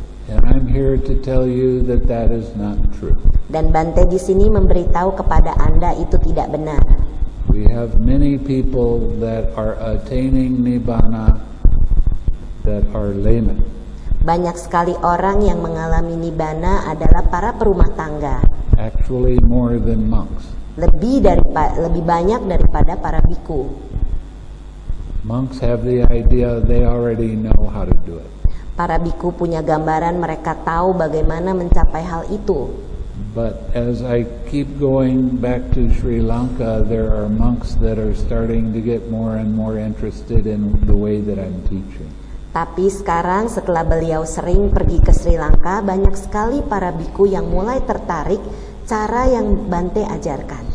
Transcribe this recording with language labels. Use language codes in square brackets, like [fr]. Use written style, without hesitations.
[en] And I'm here to tell you that that is not true. [id] Dan Bante di sini memberitahu kepada Anda itu tidak benar. [en] We have many people that are attaining nirvana that are laymen. [id] Banyak sekali orang yang mengalami nibbana adalah para perumah tangga. [en] Actually more than monks. [id] Lebih banyak daripada para bhikkhu. [en] Monks have the idea they already know how to do it. [id] Para bhikkhu punya gambaran mereka tahu bagaimana mencapai hal itu. [en] But as I keep going back to Sri Lanka, there are monks that are starting to get more and more interested in the way that I'm teaching. [id] Tapi sekarang setelah beliau sering pergi ke Sri Lanka, banyak sekali para bhikkhu yang mulai tertarik cara yang Bante ajarkan.